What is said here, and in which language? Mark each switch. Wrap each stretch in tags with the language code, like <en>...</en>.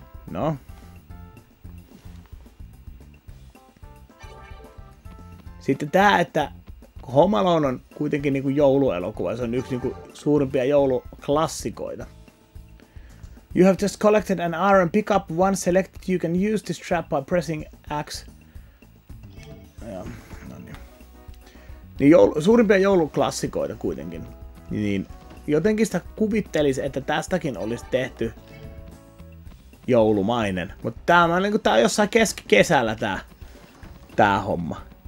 <fi>No. Sitten tää, että Home Alone on kuitenkin niinku jouluelokuva, se on yksi niinku suurimpia jouluklassikoita.</fi> <en>You have just collected an iron pickup, one selected, you can use this trap by pressing X.</en> <fi>Niin suurimpia jouluklassikoita kuitenkin. Niin jotenkin sitä kuvittelisi, että tästäkin olisi tehty joulumainen. Mutta tämä on, niinku, tää on jossain keskikesällä tää homma.</fi>